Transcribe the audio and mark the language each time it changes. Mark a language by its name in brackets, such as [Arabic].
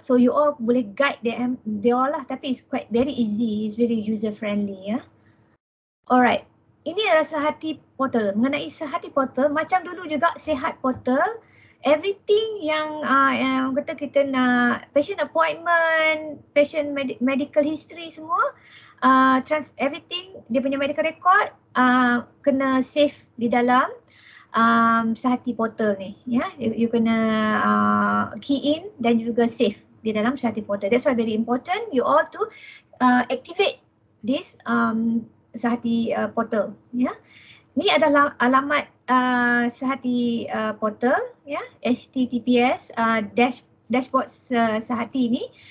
[English] So you all boleh guide them, they all lah, tapi it's quite very easy, it's very user friendly ya. [Malay] Alright, ini adalah Sehati Portal. Mengenai Sehati Portal, macam dulu juga Sehat Portal, everything yang kata kita nak [English] patient appointment, patient medical history [Malay] semua, trans everything dia punya [English] medical record [Malay] kena save di dalam sehati portal ni, ya. You kena key in dan juga save di dalam sehati portal. [English] That's why very important you all to activate this sehati portal, ya. [Malay] Ni adalah alamat sehati portal, ya, HTTPS dashboard sehati ini.